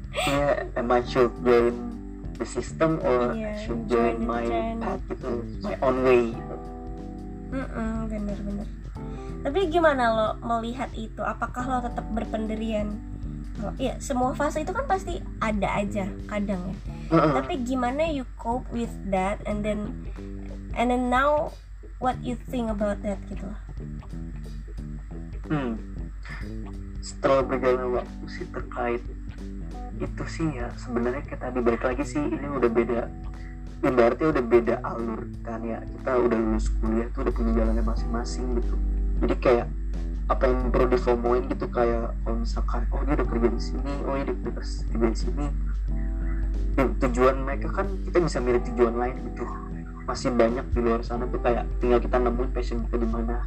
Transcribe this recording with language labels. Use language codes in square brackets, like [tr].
[en] Yeah, am I should join the system or should join my trend, path gitu, my own way. [id] Bener-bener. Tapi gimana lo melihat itu? Apakah lo tetap berpendirian? Iya, semua fase itu kan pasti ada aja kadang ya. Tapi gimana [en] you cope with that and then now what you think about that [id] gitu. Setelah berjalan waktu sih terkait itu sih ya, sebenarnya kita dibalik lagi sih ini udah beda. Ini berarti udah beda alur kan ya. Kita udah lulus kuliah tuh udah punya jalannya masing-masing gitu. Jadi kayak apa yang perlu difomoin gitu, kayak kalau misalkan oh dia udah kerja di sini, oh dia udah kerja di sini, tujuan mereka kan kita bisa milih tujuan lain gitu, masih banyak di luar sana tuh, kayak tinggal kita nemuin passion kita di mana.